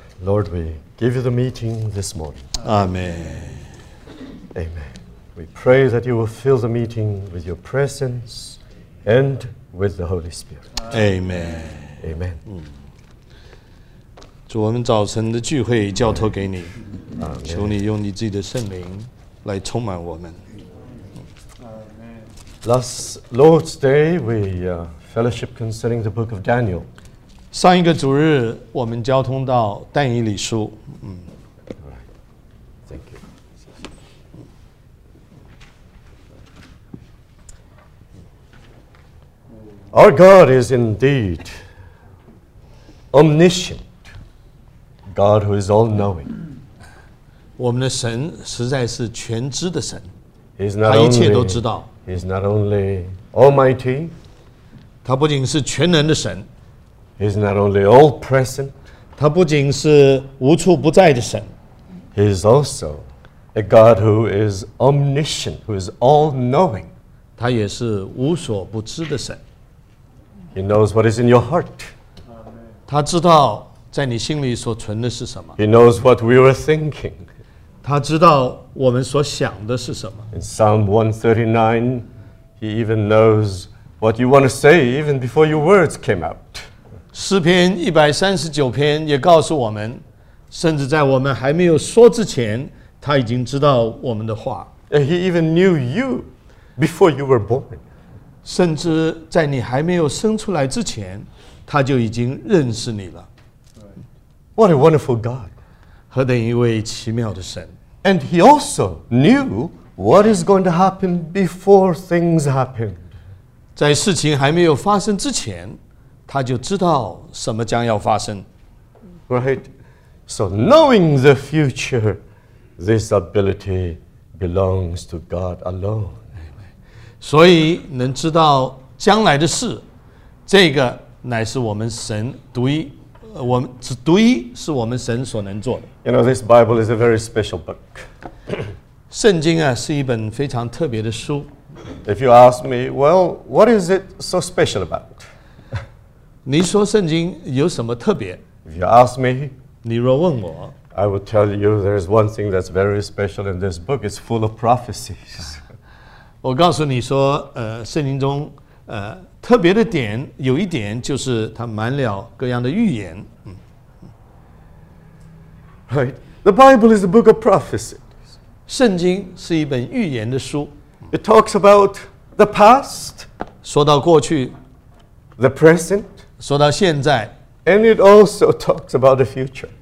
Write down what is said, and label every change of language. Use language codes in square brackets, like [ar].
[en] Lord, we give you the meeting this morning. Amen. Amen. We pray that you will fill the meeting with your presence and with the Holy Spirit. Amen. Amen. [zh] 主，我们早晨的聚会交托给你，求你用你自己的圣灵来充满我们。 [en] Last Lord's Day, we fellowship concerning the book of Daniel. [zh] 上一个主日，我们交通到但以理书。 [en] Thank you. Our God is indeed omniscient. God who is all-knowing. [zh] 我们的神实在是全知的神。他一切都知道。 [en] He is not only almighty. [zh] 他不仅是全能的神。 [en] He is not only all-present. [zh] 他不仅是无处不在的神。 [en] He is also a God who is omniscient, who is all-knowing. [zh] 他也是无所不知的神。 [en] He knows what is in your heart. [zh] 他知道在你心里所存的是什么？ [en] He knows what we were thinking. [zh] 他知道我们所想的是什么？ [en] In Psalm 139, he even knows what you want to say even before your words came out. [zh] 诗篇139篇也告诉我们，甚至在我们还没有说之前，他已经知道我们的话。 [en] And he even knew you before you were born. [zh] 甚至在你还没有生出来之前，他就已经认识你了。 [en] What a wonderful God. [zh] 何等一位奇妙的神。 [en] And he also knew what is going to happen before things happened. [zh] 在事情还没有发生之前，他就知道什么将要发生。 [en] Right? So knowing the future, this ability belongs to God alone. [zh] 所以能知道将来的事，这个乃是我们神独一。我们只独一是我们神所能做的。 [en] You know, this Bible is a very special book. [zh] 圣经啊，是一本非常特别的书。 [en] If you ask me, well, what is it so special about? [zh] 你说圣经有什么特别？ [en] If you ask me, [zh] 你若问我， [en] I will tell you there is one thing that's very special in this book. It's full of prophecies. [zh] 我告诉你说，圣经中，特别的点有一点就是它满了各样的预言。 [en] Right, the Bible is a book of prophecy. [zh] 圣经是一本预言的书。 [en] It talks about the past. [zh] 说到过去。 [en] The present. [zh] 说到现在。 [en] And it also talks about the future.